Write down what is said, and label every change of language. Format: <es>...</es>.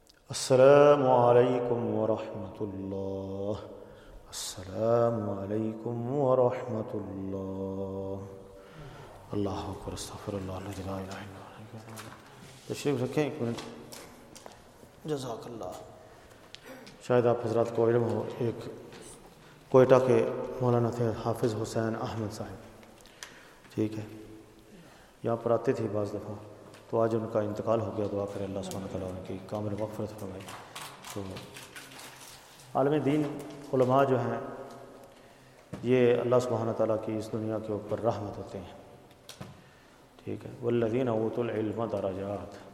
<ar>السلام عليكم ورحمة الله. السلام عليكم ورحمة الله. الله أكبر. استغفر الله العظيم. لا إله إلا الله.</ar> <ur>تشریف رکھیں ایک منٹ. جزاک اللہ. شاید آپ حضرات کو علم ہو ایک کوئٹہ کے مولانا تھے حافظ حسین احمد صاحب, ٹھیک ہے, یہاں پر آتے تھے بعض دفعہ, تو آج ان کا انتقال ہو گیا. دعا کریں اللہ سبحانہ تعالیٰ ان کی کامل مغفرت فرمائے. تو عالم دین علماء جو ہیں یہ اللہ سبحانہ تعالیٰ کی اس دنیا کے اوپر رحمت ہوتے ہیں, ٹھیک ہے.</ur> <ar>والذین اوتوا العلم درجات.</ar>